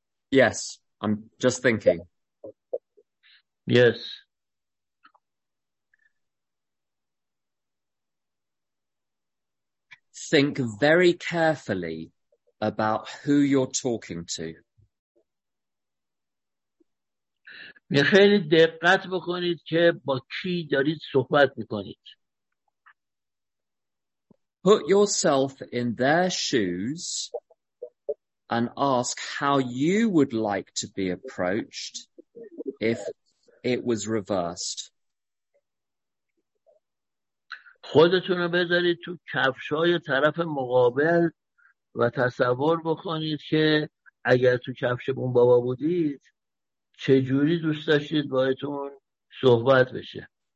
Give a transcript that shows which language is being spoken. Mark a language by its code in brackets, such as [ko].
[en] Yes, I'm just thinking. Yes. Think very carefully about who you're talking to. [fa] خیلی دقت بکنید که با کی دارید صحبت میکنید. [en] Put yourself in their shoes and ask how you would like to be approached if it was reversed. [fa] خودتون رو بذارید تو کفشای طرف مقابل و تصور بکنید که اگر تو کفش اون بابا بودید چجوری دوست داشتید باهاتون صحبت بشه.